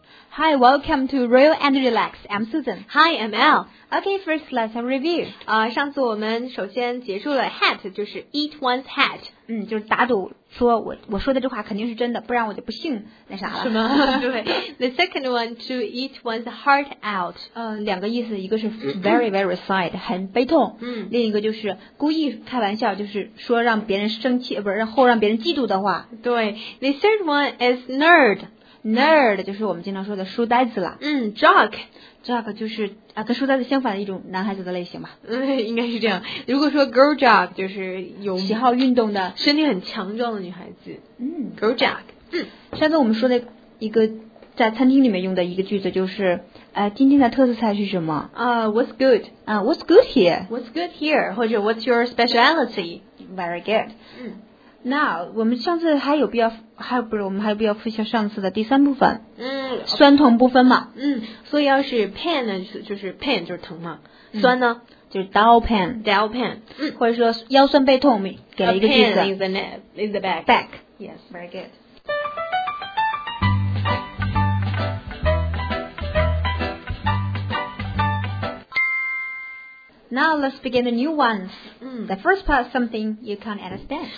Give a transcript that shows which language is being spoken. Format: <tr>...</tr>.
<en>Hi, welcome to Real and Relax. I'm Susan. Hi, I'm Al. Okay, first let's have a review.</en> <zh>上次我们首先结束了 hat, 就是</zh> <en>eat one's hat.</en> <zh>嗯，就是打赌说我说的这话肯定是真的，不然我就不信那啥了。是吗？对。</zh> <en>The second one, to eat one's heart out.</en> <zh>两个意思，一个是</zh> <en>very, very sad,</en> <zh>很悲痛。嗯。另一个就是故意开玩笑，就是说让别人生气，不是让后让别人嫉妒的话。</zh> <en>对。The third one is nerd.</en> <zh>Nerd 就是我们经常说的书呆子了。嗯 ，jock， jock 就是跟书呆子相反的一种男孩子的类型吧。嗯，应该是这样。如果说 girl jock 就是有喜好运动的、身体很强壮的女孩子。嗯</zh> <en>，girl jock。</en> <zh>嗯，上次我们说的一个在餐厅里面用的一个句子就是，今天的特色菜是什么？</zh> <en>What's good？ What's good here？ What's good here？</en> <zh>或者</zh> <en>What's your speciality？ Very good。嗯。</en> <zh>Now, 我们上次还有必要，还不是我们还有必要复习上次的第三部分。嗯，酸痛不分嘛。嗯，所以要是 pain 呢，就是 pain 就是疼嘛。嗯、酸呢，</zh> <en>就是 dull pain。 dull pain。嗯，</en> <zh>或者说腰酸背痛，给了一个句子。</zh> <en>A pain in the neck, in the back. Back. Yes, very good. Now let's begin the new ones. The first part is something you can't understand.</en>